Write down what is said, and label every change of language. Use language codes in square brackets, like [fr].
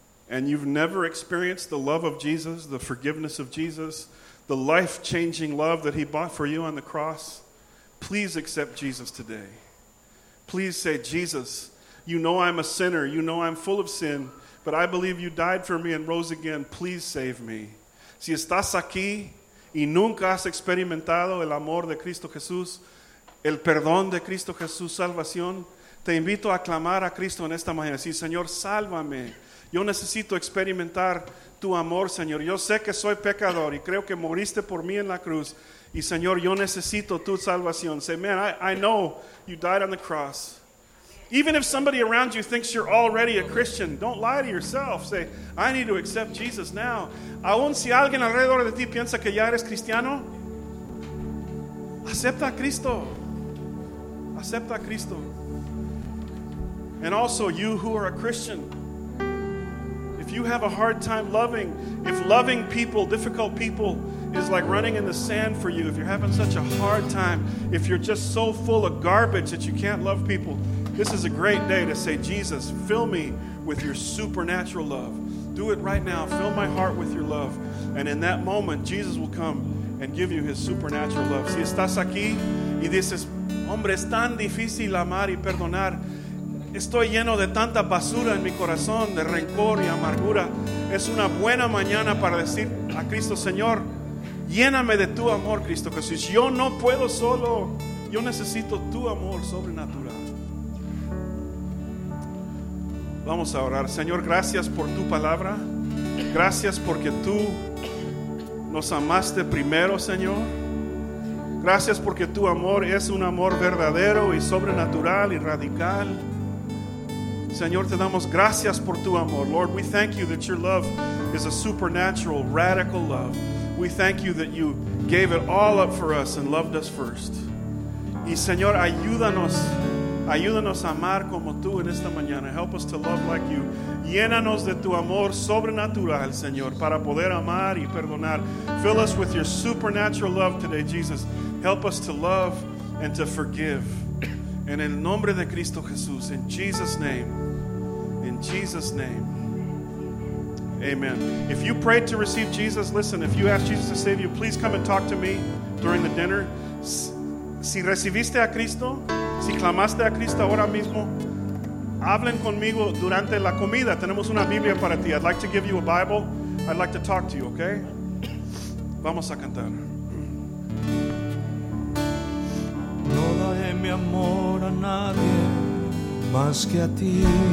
[en] and you've never experienced the love of Jesus, the forgiveness of Jesus, the life-changing love that he bought for you on the cross, please accept Jesus today. Please say, Jesus, you know I'm a sinner. You know I'm full of sin, but I believe you died for me and rose again. Please save me. [es] Si estás aquí y nunca has experimentado el amor de Cristo Jesús, el perdón de Cristo Jesús, salvación, te invito a clamar a Cristo en esta mañana. Sí, Señor, sálvame. Yo necesito experimentar tu amor, Señor. Yo sé que soy pecador y creo que moriste por mí en la cruz. Y, Señor, yo necesito tu salvación. [en] Say, man, I know you died on the cross. Even if somebody around you thinks you're already a Christian, don't lie to yourself. Say, I need to accept Jesus now. [es] Aún si alguien alrededor de ti piensa que ya eres cristiano, acepta a Cristo. Acepta a Cristo. [en] And also, you who are a Christian, if you have a hard time loving, if loving people, difficult people, is like running in the sand for you, if you're having such a hard time, if you're just so full of garbage that you can't love people, this is a great day to say, Jesus, fill me with your supernatural love. Do it right now. Fill my heart with your love. And in that moment, Jesus will come and give you his supernatural love. [es] Si estás aquí y dices, hombre, es tan difícil amar y perdonar. Estoy lleno de tanta basura en mi corazón, de rencor y amargura. Es una buena mañana para decir a Cristo, Señor, lléname de tu amor, Cristo Jesús. Yo no puedo solo. Yo necesito tu amor sobrenatural. Vamos a orar. Señor, gracias por tu palabra. Gracias porque tú nos amaste primero, Señor. Gracias porque tu amor es un amor verdadero y sobrenatural y radical. Señor, te damos gracias por tu amor. [en] Lord, we thank you that your love is a supernatural, radical love. We thank you that you gave it all up for us and loved us first. [es] Y Señor, ayúdanos, ayúdanos a amar como tú en esta mañana. [en] Help us to love like you. [es] Llénanos de tu amor sobrenatural, Señor, para poder amar y perdonar. [en] Fill us with your supernatural love today, Jesus. Help us to love and to forgive. [es] En el nombre de Cristo Jesús, [en] in Jesus' name, in Jesus' name. Amen. If you prayed to receive Jesus, listen, if you asked Jesus to save you, please come and talk to me during the dinner. [es] Si recibiste a Cristo, si clamaste a Cristo ahora mismo, hablen conmigo durante la comida. Tenemos una Biblia para ti. [en] I'd like to give you a Bible. I'd like to talk to you, okay? [es] Vamos a cantar. No daré mi amor a nadie más que a ti.